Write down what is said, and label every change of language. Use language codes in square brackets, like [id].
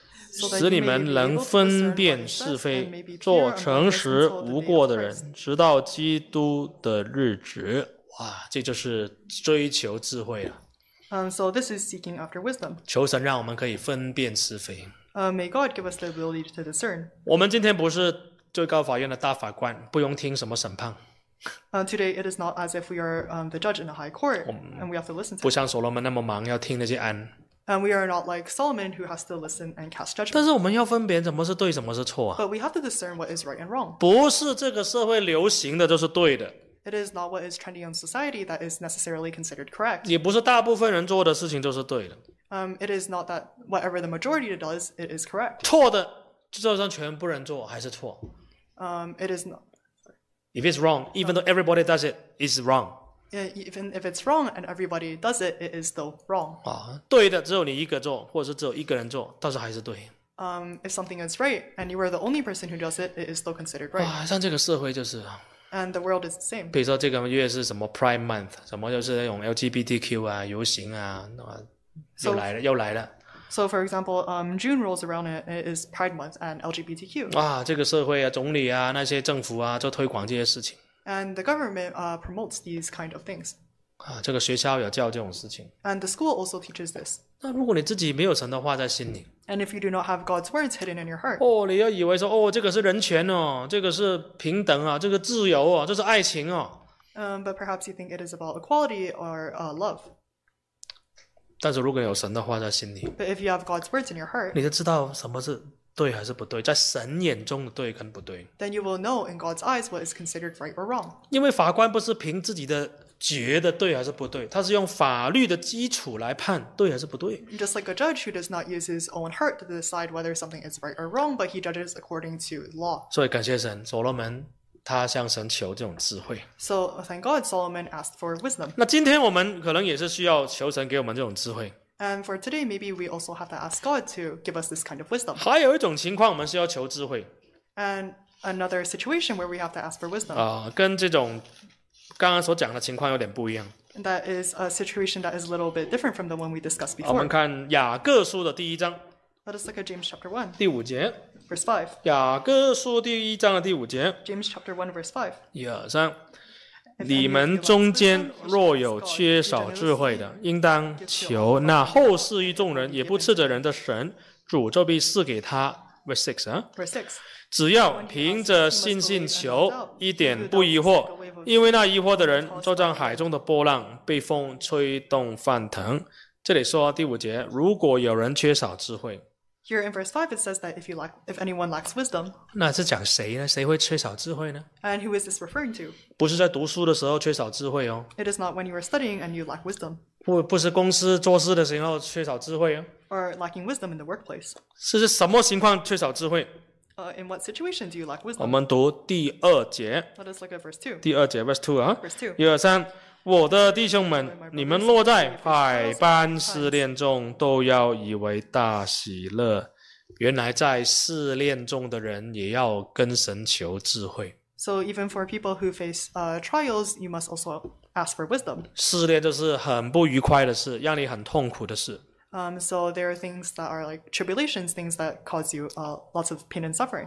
[zh] 使你们能分辨是非，做诚实无过的人，直到基督的日子。哇，这就是追求智慧啊。 [en] So this is seeking after wisdom。 [zh] 求神让我们可以分辨是非。 [en] May God give us the ability to discern. [zh] 我们今天不是最高法院的大法官，不用听什么审判。 [en] Today it is not as if we are the judge in a high court, and we have to listen to. [zh] 不像所罗门那么忙，要听那些案。 [en] And we are not like Solomon who has to listen and cast judgment. [zh] 但是我们要分辨什么是对，什么是错啊。 [en] But we have to discern what is right and wrong. [zh] 不是这个社会流行的就是对的。 [en] It is not what is trending in society that is necessarily considered correct. [zh] 也不是大部分人做的事情就是对的。 [en] It is not that whatever the majority does, it is correct. [zh] 错的，就算全部人做还是错。 [en] It is not. If it's wrong, even though everybody does it, it's wrong. Even if it's wrong and everybody does it, it is still wrong. [zh] 啊，对的，只有你一个做，或者是只有一个人做，但是还是对。 [en] If something is right and you are the only person who does it, it is still considered right. [zh] 啊，像这个社会就是。 [en] And the world is the same. [zh] 比如说这个月是什么 Pride Month， 什么就是那种 LGBTQ 啊，游行啊，又来了。 [en] So for example, June rolls around and it is Pride Month and LGBTQ. [zh] 啊，这个社会啊，总理啊，那些政府啊，就推广这些事情。 [en] And the government promotes these kind of things. [zh] 啊，这个学校有教这种事情。 [en] And the school also teaches this. [zh] 那如果你自己没有神的话在心里 [en] ，And if you do not have God's words hidden in your heart. [zh] 哦，你要以为说，哦，这个是人权哦，这个是平等啊，这个自由啊，这是爱情哦。 [en] But perhaps you think it is about equality or love. [zh] 但是如果有神的话在心里， [en] But if you have God's words in your heart, [zh] 你就知道什么是对还是不对，在神眼中的对跟不对。 [en] Then you will know in God's eyes what is considered right or wrong. [zh] 因为法官不是凭自己的觉得对还是不对，他是用法律的基础来判对还是不对。 [en] Just like a judge who does not use his own heart to decide whether something is right or wrong, but he judges according to law. [zh] 所以感谢神，所罗门他向神求这种智慧。 [en] So thank God Solomon asked for wisdom. [zh] 那今天我们可能也是需要求神给我们这种智慧。 [en] And for today, maybe we also have to ask God to give us this kind of wisdom. [zh] 还有一种情况，我们是要求智慧。 [en] And another situation where we have to ask for wisdom. [zh] 跟这种刚刚所讲的情况有点不一样。 [en] That is a situation that is a little bit different from the one we discussed before. [zh] 我们看雅各书的第一章。 [en] Let us look at James chapter 1. [zh] 第五节。 [en] Verse 5. [zh] 雅各书第一章的第五节。 [en] James chapter 1, verse 5. [zh] 一二三。你们中间若有缺少智慧的，应当求那后世于众人也不斥责人的神，主就必赐给他。 [en] Verse 6, huh? Verse 6. [zh] 只要凭着信心求，一点不疑惑，因为那疑惑的人就像海中的波浪，被风吹动翻腾。这里说第五节，如果有人缺少智慧。 [en] Here in verse 5, it says that if anyone lacks wisdom, [zh] 那是讲谁呢？谁会缺少智慧呢？ [en] And who is this referring to? [zh] 不是在读书的时候缺少智慧哦。 [en] It is not when you are studying and you lack wisdom. [zh] 不是公司做事的时候缺少智慧哦。 [en] Or lacking wisdom in the workplace. [zh] 是什么情况缺少智慧？ [en] In what situation do you lack wisdom? [zh] 我们读第二节。 [en] Let us look at verse 2. [zh] 第二节 [en] verse 2 [zh] 啊。 [en] Verse 2. [zh] 一二三。我的弟兄们，你们落在百般试炼中，都要以为大喜乐。原来在试炼中的人也要跟神求智慧。 [en] So even for people who face trials, you must also ask for wisdom. [zh] 试炼就是很不愉快的事，让你很痛苦的事。 [en] So there are things that are like tribulations, things that cause you lots of pain and suffering.